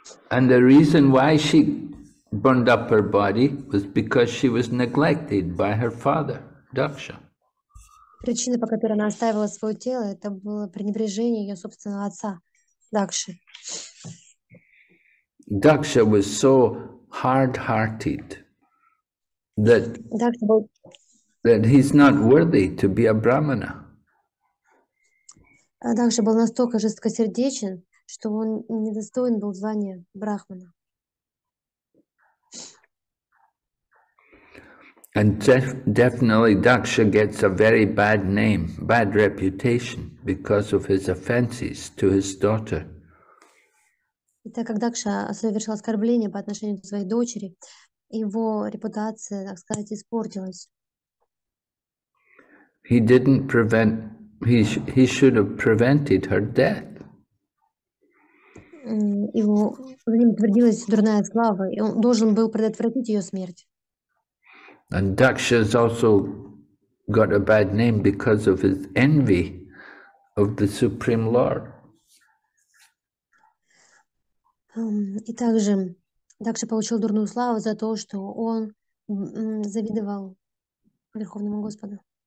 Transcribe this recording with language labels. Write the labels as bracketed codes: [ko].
[en] And the reason why she burned up her body was because she was neglected by her father, Daksha. [ru] Причина, по которой она оставила свое тело, это было пренебрежение ее собственного отца, Дакши. [en] Daksha was so hard-hearted that he's not worthy to be a brahmana. [ru] Daksha был настолько жесткосердечен, что он недостоин был звания брахмана. [en] And definitely Daksha gets a very bad name, bad reputation because of his offenses to his daughter. [ru] И так как Дакша совершил оскорбление по отношению к своей дочери, его репутация, так сказать, испортилась. [en] He didn't prevent, he should have prevented her death. [ru] Его в нем утвердилась дурная слава, и он должен был предотвратить ее смерть. [en] And Daksha has also got a bad name because of his envy of the Supreme Lord. [ru] И также Дакша получил дурную славу за то, что он завидовал Верховному Господу.